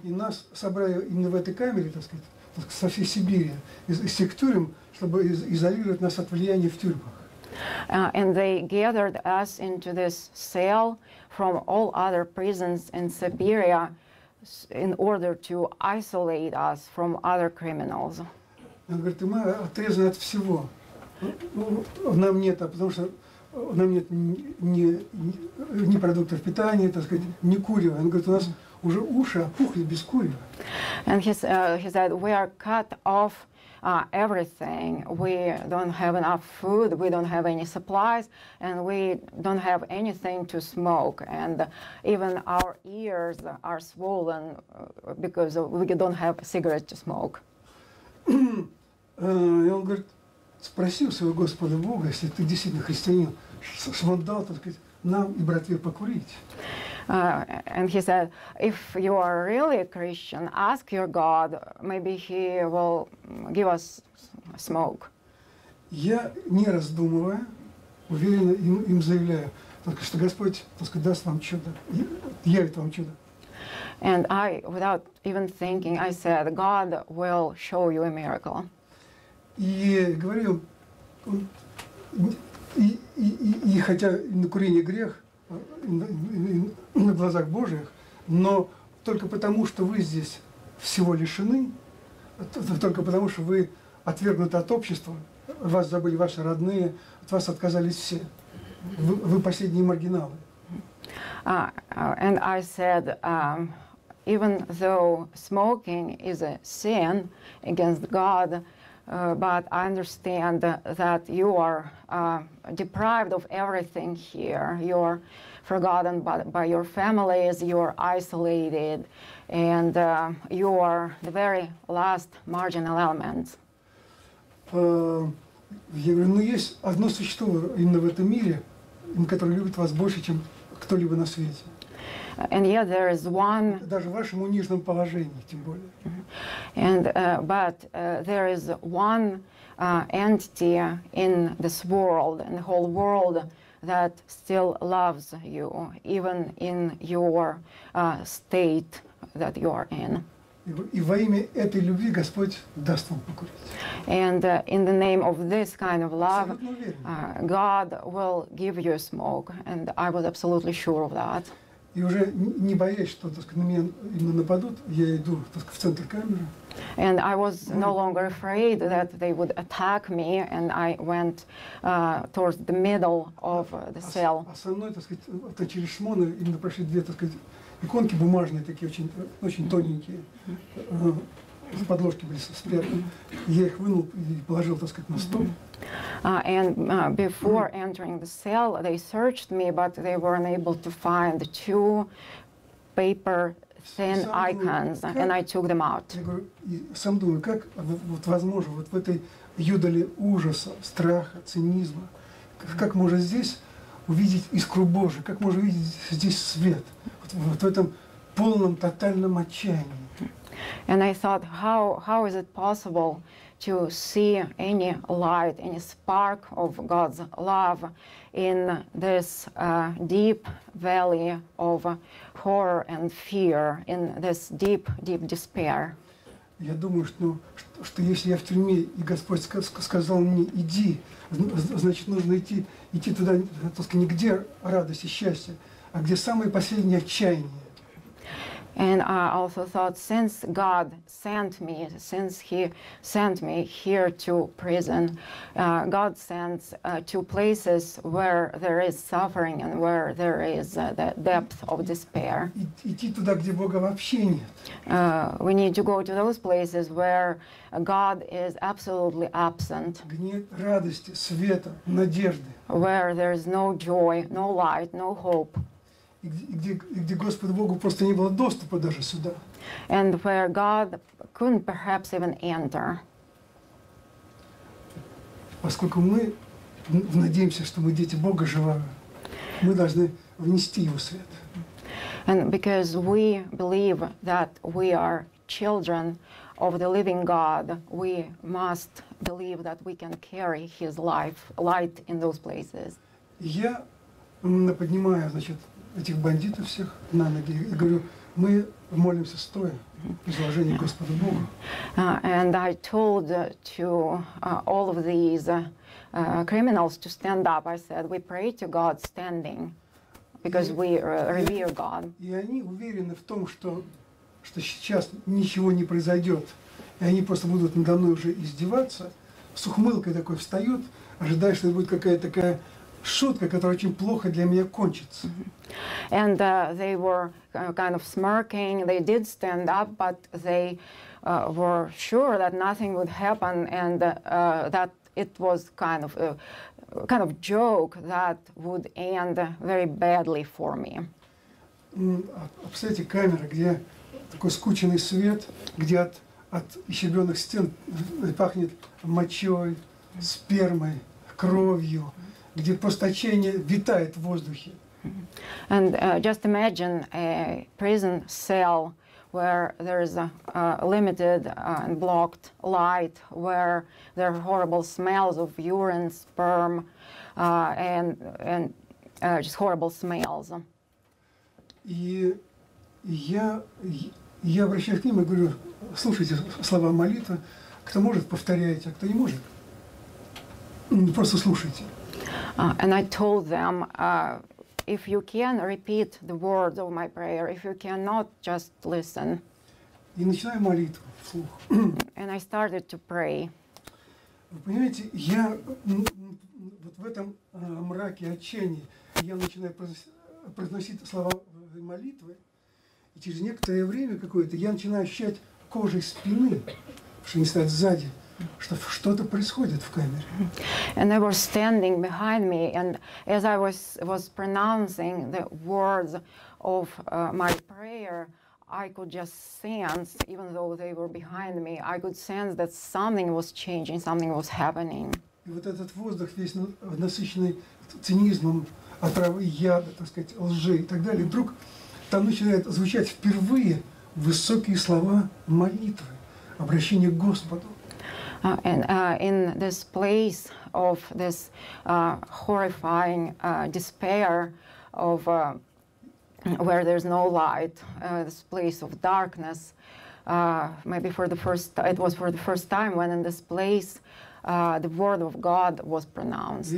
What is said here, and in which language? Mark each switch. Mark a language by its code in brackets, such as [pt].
[ru] И нас собрали именно в этой камере, так сказать. Со всей Сибири, из всех тюрем, чтобы изолировать нас от влияния в тюрьмах. [en] And they gathered us into this cell from all other prisons in Siberia in order to isolate us from other criminals. [ru] Он говорит, мы отрезаны от всего. Нам нет, потому что нам нет ни продуктов питания, так сказать, ни курева. Он говорит, у нас уже уши опухли без курева. [en] And he said, we are cut off everything. We don't have enough food, we don't have any supplies, and we don't have anything to smoke. And even our ears are swollen because we don't have cigarettes to smoke. [ru] И он говорит, спросил своего Господа Бога, если ты действительно христианин, что он дал, так сказать, нам и братве покурить. [en] And he said, if you are really a Christian, ask your God, maybe he will give us smoke. [ru] Я не раздумывая, уверенно им заявляю, так что Господь, так сказать, даст вам чудо, явит вам чудо. [en] And I, without even thinking, I said, God will show you a miracle. [ru] И говорю, и хотя на курение грех, на глазах Божьих, но только потому, что вы здесь всего лишены, только потому, что вы отвергнуты от общества, вас забыли ваши родные, от вас отказались все. Вы последние маргиналы. [en] And I said, even though smoking is a sin against God, but I understand that you are deprived of everything here. You are forgotten by your families, you are isolated, and you are the very last marginal element. [ru] Я говорю, ну есть одно существо именно в этом мире, которое любит вас больше, чем кто-либо на свете. [en] And yet there is one. [ru] Даже в вашем униженном положении, тем более. [en] And but there is one entity in this world, in the whole world, that still loves you, even in your state that you are in. [ru] И во имя этой любви Господь даст вам покурить. [en] And in the name of this kind of love, God will give you smoke, and I was absolutely sure of that. [ru] И уже не боясь, что, так сказать, на меня именно нападут, я иду, так сказать, в центр камеры. [en] And I was no longer afraid that they would attack me, and I went towards the middle of the cell. [ru] А со мной, так сказать, вот через шмоны именно прошли две, так сказать, иконки бумажные такие, очень, очень тоненькие, с подложки были спрятаны. Я их вынул и положил, так сказать, на стол. [en] And before entering the cell, they searched me, but they weren't able to find the two paper thin icons, and I took them out. [ru] Я говорю, сам думаю, как вот возможно вот в этой юдоле ужаса, страха, цинизма, как можно здесь увидеть искру Божию, как можно увидеть здесь свет, вот в этом полном тотальном отчаянии. [en] And I thought, how is it possible to see any light, any spark of God's love in this deep valley of horror and fear, in this deep, deep despair. [ru] Я думаю, что если я в тюрьме, и Господь сказал мне, иди, значит, нужно идти туда, так сказать, не где радость и счастье, а где самое последнее отчаяние. [en] And I also thought, since God sent me here to prison, God sends to places where there is suffering and where there is the depth of despair. [ru] Идти туда, где Бога вообще нет. [en] We need to go to those places where God is absolutely absent. [ru] Нет радости, света, надежды. [en] Where there is no joy, no light, no hope. [ru] где Господу Богу просто не было доступа даже сюда. [en] And where God couldn't perhaps even enter. [ru] Поскольку мы надеемся, что мы дети Бога живого, мы должны внести Его свет. [en] And because we believe that we are children of the living God, we must believe that we can carry His life, light in those places. [ru] Я поднимаю, значит, этих бандитов всех на ноги и говорю, мы молимся стоя, изложение Господу Богу. [en] And I told to all of these criminals to stand up. I said, we pray to God standing. Because we revere God. [ru] И они уверены в том, что сейчас ничего не произойдет, и они просто будут надо мной уже издеваться, с ухмылкой такой встают, ожидая, что это будет какая-то такая шутка, которая очень плохо для меня кончится. [en] And they were kind of smirking. They did stand up, but they were sure that nothing would happen, and that it was kind of joke that would end very badly for me. [ru] Представьте, камера, где такой скученный свет, где от ищебенных стен пахнет мочой, спермой, кровью, где просточение витает в воздухе. [en] And just imagine a prison cell where there is a limited and blocked light, where there are horrible smells of urine, sperm, and just horrible smells. [ru] И я обращаюсь к ним и говорю, слушайте слова молитвы, кто может, повторяйте, а кто не может, просто слушайте. [en] And I told them, if you can, repeat the words of my prayer. If you cannot, just listen. [ru] И начинаю молитву вслух. [en] And I started to pray. [ru] Вы понимаете, я вот в этом мраке отчаяния, я начинаю произносить слова молитвы, и через некоторое время какое-то я начинаю ощущать кожей спины, что не стоит сзади. Что что-то происходит в камере. [en] And they were standing behind me, and as I was pronouncing the words of my prayer, I could just sense, even though they were behind me, I could sense that something was changing, something was happening. [ru] И вот этот воздух весь насыщенный цинизмом, отравой яда, так сказать, лжи и так далее, вдруг там начинают звучать впервые высокие слова молитвы, обращение к Господу. [en] In this place of this horrifying despair of where there's no light, this place of darkness, maybe for the first time, it was for the first time when in this place the word of God was pronounced.